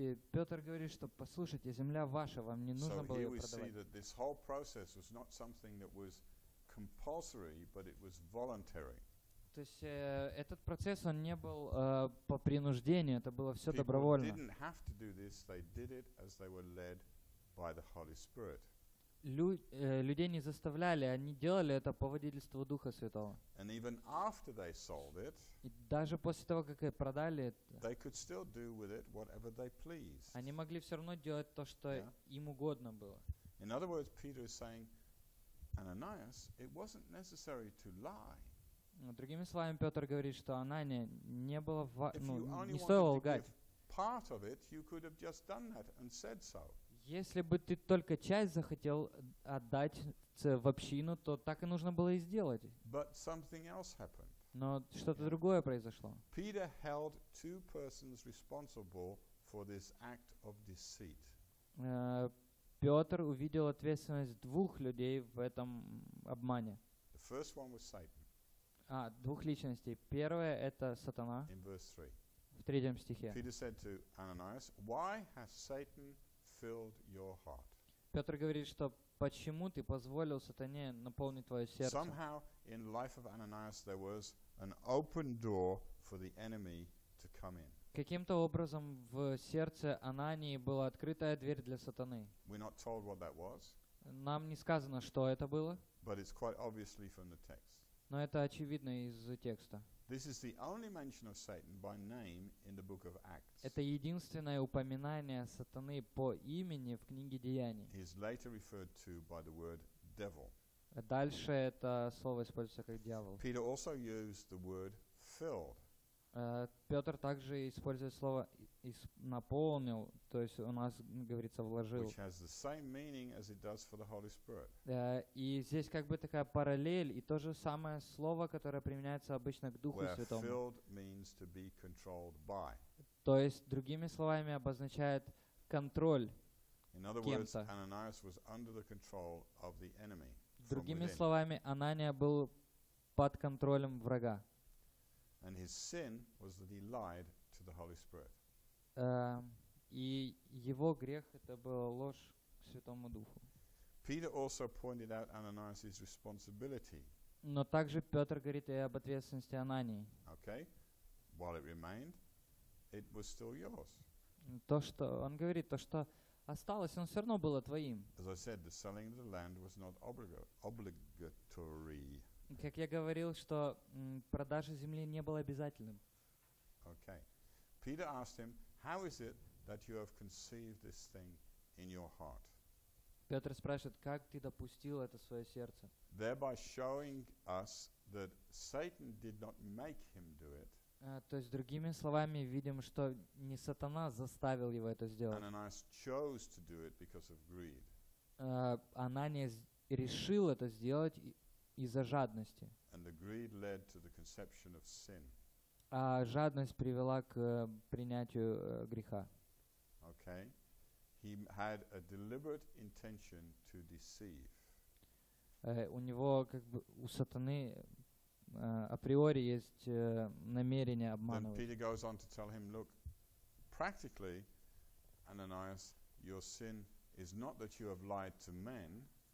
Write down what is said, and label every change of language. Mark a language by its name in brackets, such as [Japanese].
[Russian] Петр говорит, что послушайте, земля ваша, вам не нужно было ее продавать. [English] So here we see that this whole process was not something that was compulsory, but it was voluntary. [Russian] То есть этот процесс, он не был по принуждению, это было все добровольно. [English] People didn't have to do this, they did it as they were led by the Holy Spirit. [Russian] Людей не заставляли, они делали это по водительству Духа Святого. [English] And even after they sold it, [Russian] и даже после того, как продали это, [English] they could still do with it whatever they pleased. [Russian] Они могли все равно делать то, что им угодно было. [English] In other words, Peter is saying, Ananias, it wasn't necessary to lie. [Russian] Другими словами, Петр говорит, что Анания не было не стоило лгать. [English] Part of it, you could have just done that and said so. [Russian] Если бы ты только часть захотел отдать в общину, то так и нужно было и сделать. [English] But something else happened. [Russian] Но что-то другое произошло. [English] Peter held two persons responsible for this act of deceit. [Russian] Петр увидел ответственность двух людей в этом обмане. [English] The first one was Satan. [Russian] Двух личностей. Первое — это сатана. [English] In verse 3. [Russian] В третьем стихе. [English] Peter said to Ananias, why has Satan filled your heart? [Russian] Петр говорит, что почему ты позволил сатане наполнить твое сердце? [English] Somehow in life of Ananias there was an open door for the enemy to come in. [Russian] Каким-то образом в сердце Анании была открытая дверь для сатаны. [English] We're not told what that was. [Russian] Нам не сказано, что это было. [English] But it's quite obviously from the text. [Russian] Но это очевидно из текста. [English] This is the only mention of Satan by name in the book of Acts. [Russian] Это единственное упоминание сатаны по имени в книге Деяний. [English] He is later referred to by the word devil. [Russian] Дальше это слово используется как дьявол. [English] Peter also used the word filled. [Russian] Петр также использует слово наполнил, то есть у нас говорится вложил. [English] Which has the same meaning as it does for the Holy Spirit. [Russian] И здесь как бы такая параллель и то же самое слово, которое применяется обычно к Духу Святому. [English] Where filled means to be controlled by. [Russian] То есть другими словами обозначает контроль. [English] In other words, Ananias was under the control of the enemy. [Russian] Другими словами, Анания был под контролем врага. [English] And his sin was that he lied to the Holy Spirit. [Russian] И его грех это была ложь к Святому Духу. [English] Peter also pointed out Ananias's responsibility. [Russian] Но также Петр говорит и об ответственности Анании. [English] Okay. While it remained, it was still yours. [Russian] То, что он говорит, то, что осталось, оно все равно было твоим. [English] As I said, the selling of the land was not obligatory. [Russian] Как я говорил, что продажа земли не была обязательным. [English] Okay. Peter asked him, how is it that you have conceived this thing in your heart? [Russian] Петр спрашивает, как ты допустил это в свое сердце? [English] Thereby showing us that Satan did not make him do it. [Russian] То есть другими словами видим, что не сатана заставил его это сделать. [English] Ananias chose to do it because of greed. [Russian] Анания решил это сделать из-за жадности. [English] And the greed led to the conception of sin. [Russian] А жадность привела к принятию греха. [English] Okay. He had a deliberate intention to deceive. [Russian] У него как бы у сатаны априори есть намерение обманывать. [English] Then Peter goes on to tell him, look, practically, Ananias, your sin is not that you have lied to men.